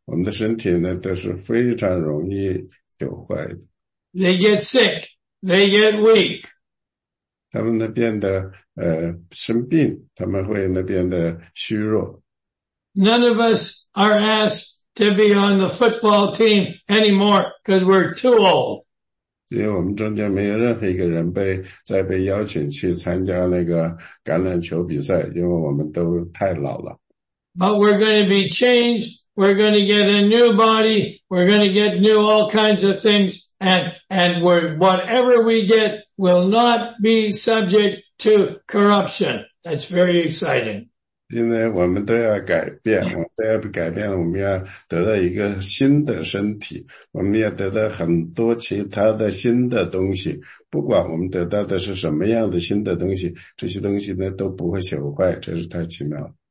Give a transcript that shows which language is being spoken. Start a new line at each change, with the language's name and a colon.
Chinese: 所以呢，我们现在所有的都对我们的身体很了解，我们的身体呢都是非常容易朽坏的。
English: They get sick, they get weak.
Chinese: 他们那边的生病，他们会那边的虚弱。
English: None of us are asked to be on the football team anymore because we're too old.
Chinese: 所以我们中间没有任何一个人被邀请去参加那个橄榄球比赛，因为我们都太老了。
English: But we're going to be changed. We're going to get a new body. We're going to get new all kinds of things. And we're, whatever we get will not be subject to corruption. That's very exciting.
Chinese: 因为我们都要改变，我们都要改变，我们要得到一个新的身体，我们要得到很多其他的新的东西。不管我们得到的是什么样的新的东西，这些东西呢都不会朽坏，这是太奇妙了。